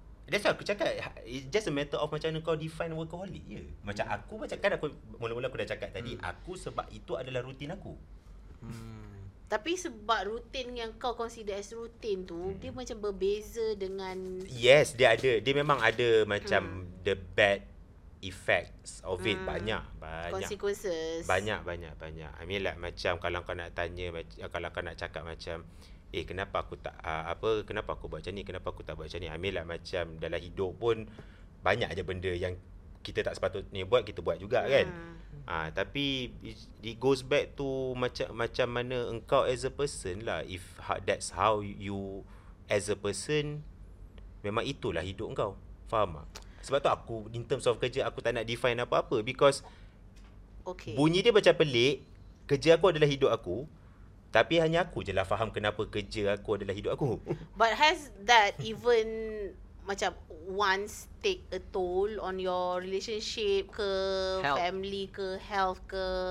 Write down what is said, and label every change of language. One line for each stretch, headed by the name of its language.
English: That's why
Malay: aku cakap,
English: it's just a matter of
Malay: macam mana kau
English: define workaholic je.
Malay: Macam aku macam kan aku, mula-mula aku dah cakap tadi, aku sebab itu adalah rutin aku. Tapi sebab rutin yang kau consider as rutin tu, dia macam berbeza dengan... Yes, dia ada. Dia memang ada macam
English: the bad effects of it.
Malay: Banyak, banyak.
English: Consequences.
Malay: Banyak, banyak, banyak.
English: I mean like
Malay: macam kalau kau nak tanya, kalau kau nak cakap macam, eh kenapa aku tak, apa, kenapa aku buat macam ni, kenapa aku tak buat macam ni.
English: I mean like
Malay: macam dalam hidup pun, banyak je benda yang kita tak sepatutnya buat, kita buat juga kan. Tapi
English: it goes back to
Malay: macam macam mana engkau
English: as a person
Malay: lah.
English: If that's how you as a person,
Malay: memang itulah hidup engkau. Faham tak? Sebab tu aku
English: in terms of
Malay: kerja, aku tak nak define apa-apa.
English: Because okay,
Malay: bunyi dia macam pelik. Kerja aku adalah hidup aku, tapi hanya aku je lah faham kenapa kerja aku adalah hidup aku.
English: But has that even macam once take a toll on your relationship ke health, family ke, health ke?